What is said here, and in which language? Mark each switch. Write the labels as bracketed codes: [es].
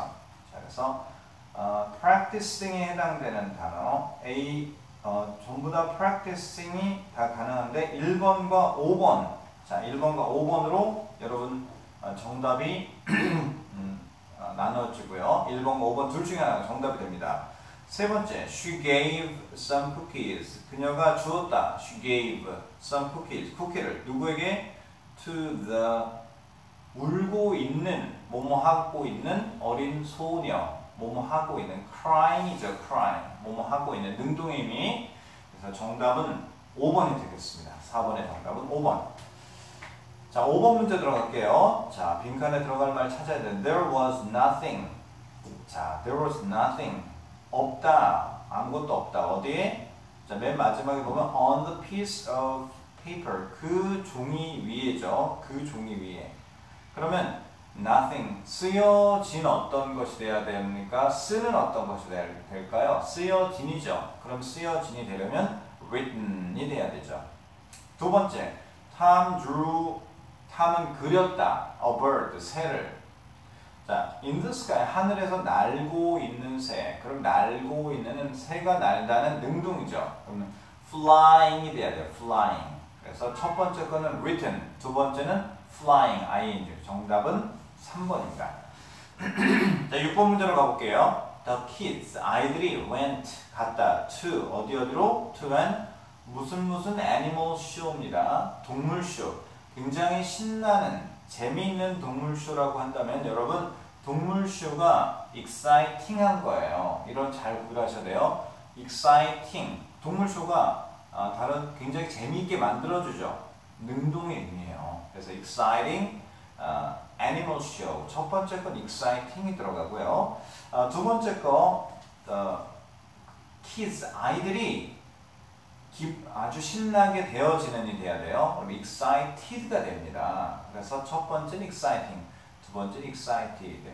[ko] 자, 그래서, practicing에 해당되는 단어. A, 전부 다 practicing이 다 가능한데, 1번과 5번. 자, 1번과 5번으로 여러분, 정답이, 나눠지고요. 1번과 5번 둘 중에 하나가 정답이 됩니다. 세 번째, [en] she gave some cookies. [ko] 그녀가 주었다. [en] she gave some cookies. [ko] 쿠키를 누구에게? [en] to the [ko] 울고 있는, 뭐뭐 하고 있는 어린 소녀. 뭐뭐 하고 있는 crying이죠, crying. 뭐뭐 하고 있는 능동의 의미. 그래서 정답은 5번이 되겠습니다. 4번의 정답은 5번. 자, 5번 문제 들어갈게요. 자, 빈칸에 들어갈 말 찾아야 돼. [en] there was nothing. [ko] 자, [en] there was nothing. [ko] 없다. 아무것도 없다. 어디에? 자, 맨 마지막에 보면 [en] on the piece of paper. [ko] 그 종이 위에죠. 그 종이 위에. 그러면 nothing. 쓰여진 어떤 것이 돼야 됩니까? 쓰는 어떤 것이 될까요? 쓰여진이죠. 그럼 쓰여진이 되려면 written이 돼야 되죠. 두 번째. [en] Tom drew, [ko] Tom은 그렸다. [en] A bird, [ko] 새를. 자, [en] in the sky, [ko] 하늘에서 날고 있는 새. 그럼 날고 있는 새가 날다는 능동이죠. 그러면 flying이 돼야 돼요. flying. 그래서 첫 번째 거는 written, 두 번째는 flying, ing. 정답은 3번입니다. 자, 6번 문제로 가볼게요. [en] The kids, [ko] 아이들이 [en] went, [ko] 갔다, [en] to, [ko] 어디 어디로? [en] to when? [ko] 무슨 무슨 애니멀 쇼입니다. 동물 쇼. 굉장히 신나는, 재미있는 동물 쇼라고 한다면 여러분, 동물 쇼가 exciting한 거예요. 이런 잘 구별하셔야 돼요. [en] exciting. [ko] 동물 쇼가 다른 굉장히 재미있게 만들어주죠. 능동의 의미예요. 그래서 [en] exciting, animal show. [ko] 첫 번째 건 exciting이 들어가고요. 두 번째 거, the kids, 아이들이 아주 신나게 되어지는 일이 돼야 돼요. 그럼 excited가 됩니다. 그래서 첫 번째는 exciting, 두 번째는 excited.